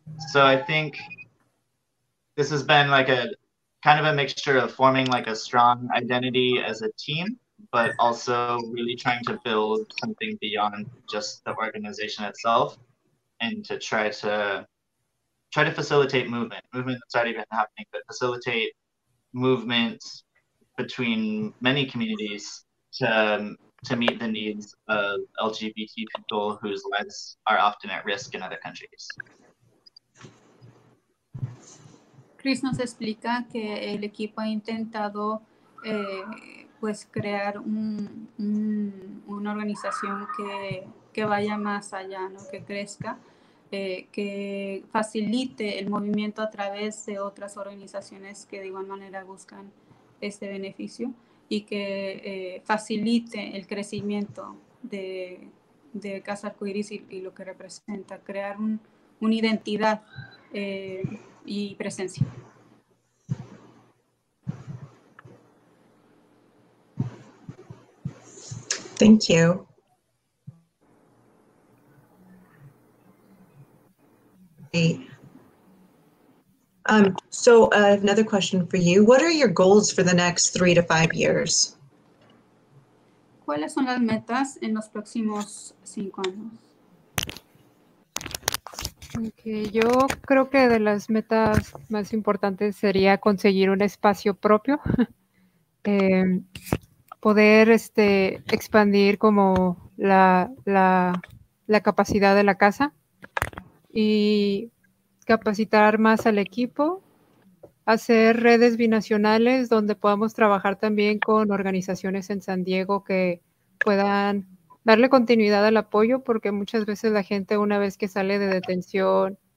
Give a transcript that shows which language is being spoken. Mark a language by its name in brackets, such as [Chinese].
[English] So I think this has been like a kind of a mixture of forming like a strong identity as a team, but also really trying to build something beyond just the organization itself, and to try to facilitate movement that's already been happening, but facilitate movements between many communities to meet the needs of LGBT people whose lives are often at risk in other countries. [Spanish] Chris nos explica que el equipo ha intentado pues crear una organización que vaya más allá, ¿no? Que crezca, que facilite el movimiento a través de otras organizaciones que de igual manera buscan este beneficio y que facilite el crecimiento de Casa Arcoiris y lo que representa, crear una identidad y presencia. [English] Thank you. So I have another question for you. What are your goals for the next 3 to 5 years? [Spanish] ¿Cuáles son las metas en los próximos 5 años? Okay, yo creo que de las metas más importantes sería conseguir un espacio propio. Poder expandir como la capacidad de la casa y capacitar más al equipo, hacer redes binacionales donde podamos trabajar también con organizaciones en San Diego que puedan darle continuidad al apoyo, porque muchas veces la gente, una vez que sale de detención,